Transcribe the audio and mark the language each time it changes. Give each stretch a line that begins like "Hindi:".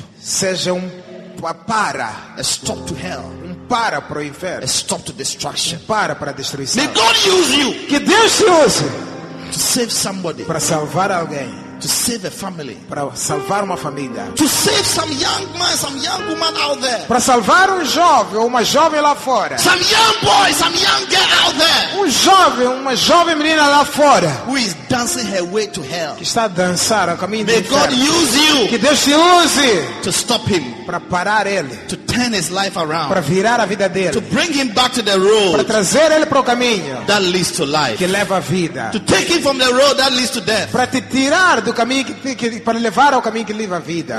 Portuguese: Seja para.
English: A stop to hell.
Portuguese: Para para o inferno.
English: A stop to destruction.
Portuguese: Para para a destruição.
English: May God use you.
Portuguese: Que Deus te use.
English: To save somebody.
Portuguese: Para salvar alguém.
English: To save a family.
Portuguese: Para salvar uma família.
English: To save some young man, some young woman out there.
Portuguese: Para salvar um jovem ou uma jovem lá fora.
English: Some young boy, some young girl out there.
Portuguese: Um jovem, uma jovem menina lá fora.
English: Who is dancing her way to hell.
Portuguese: Que está a dançar a caminho do inferno.
English: May God use you.
Portuguese: Que Deus te use.
English: To stop him.
Portuguese: Para parar ele.
English: To turn his life around.
Portuguese: Para virar a vida dele.
English: To bring him back to the road.
Portuguese: Para trazer ele para o caminho.
English: That leads to life.
Portuguese: Que leva a vida.
English: To take him from the road that leads to death.
Portuguese: Para te tirar do caminho que para levar ao caminho que leva a vida.